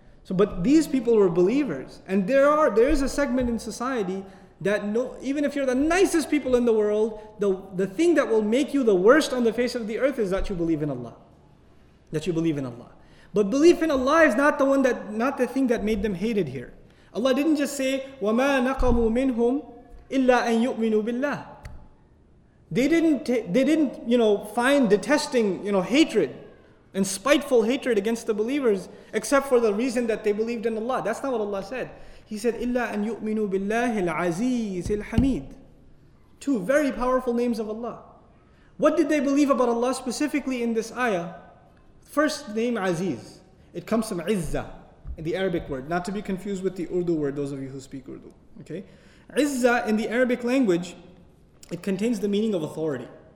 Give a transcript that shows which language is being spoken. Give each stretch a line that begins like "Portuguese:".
English: So, but these people were believers. And there is a segment in society that no, even if you're the nicest people in the world, the thing that will make you the worst on the face of the earth is that you believe in Allah. That you believe in Allah. But belief in Allah is not the thing that made them hated here. Allah didn't just say,
Arabic: وَمَا نَقَمُوا مِنْهُمْ إِلَّا أَن يُؤْمِنُوا بِاللَّهِ.
English: They didn't you know, find detesting, you know, hatred and spiteful hatred against the believers, except for the reason that they believed in Allah. That's not what Allah said. He said,
Arabic: إِلَّا أَن يُؤْمِنُوا بِاللَّهِ الْعَزِيزِ الْحَمِيدِ.
English: Two very powerful names of Allah. What did they believe about Allah specifically in this ayah? First name, Aziz. It comes from عِزَّة, in the Arabic word. Not to be confused with the Urdu word, those of you who speak Urdu. Okay, عِزَّة in the Arabic language, it contains the meaning of authority.